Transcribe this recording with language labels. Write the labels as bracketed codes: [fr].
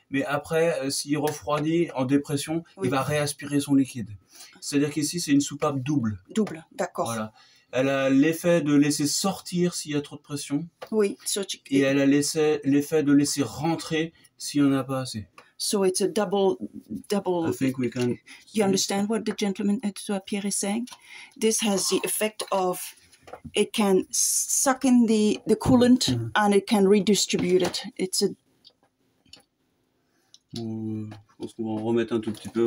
[fr] Mais après, s'il refroidit en dépression, oui. Il va réaspirer son liquide. C'est-à-dire qu'ici, c'est une soupape double. Double, d'accord. Voilà. Elle a l'effet de laisser sortir s'il y a trop de pression. Oui. Et elle a l'effet de laisser rentrer s'il n'y en a pas assez. [en] So it's a double. I think we can. You understand what the gentleman Pierre is saying? This has the effect of it can suck in the coolant mm-hmm. and it can redistribute it. It's a. [fr] Je pense qu'on va en remettre un tout petit peu.